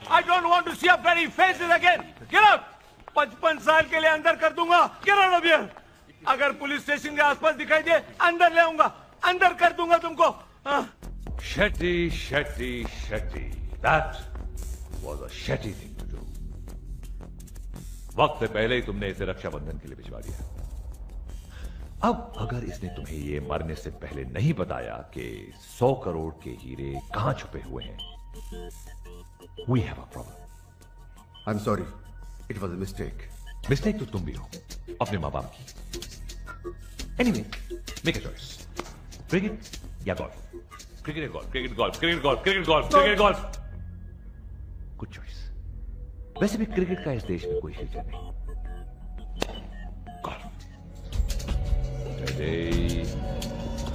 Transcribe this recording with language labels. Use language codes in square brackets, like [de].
[en] I don't want to see your very faces again. Get up! [hi] 55 साल के लिए अंदर कर दूंगा। [en] Get out of here! [hi] अगर पुलिस स्टेशन के आसपास दिखाई दे अंदर ले आऊंगा, अंदर कर दूंगा तुमको। [en] Shetty Shetty Shetty, that was a shitty thing to do. [hi] वक्त से पहले ही तुमने इसे रक्षाबंधन के लिए भिजवा दिया। अब अगर इसने तुम्हें ये मरने से पहले नहीं बताया कि 100 करोड़ के हीरे कहां छुपे हुए हैं, [en] we have a problem. I'm sorry, it was a mistake. [hi] Mistake तो तुम भी हो, अपने माँ बाप की। [en] Anyway, make a choice. [hi] Cricket या golf? [en] Cricket or golf? Cricket, golf, cricket, golf, cricket, golf, cricket, golf. Good choice. [hi] वैसे भी क्रिकेट का इस देश में कोई फ्यूचर नहीं। [en] Golf. Ready.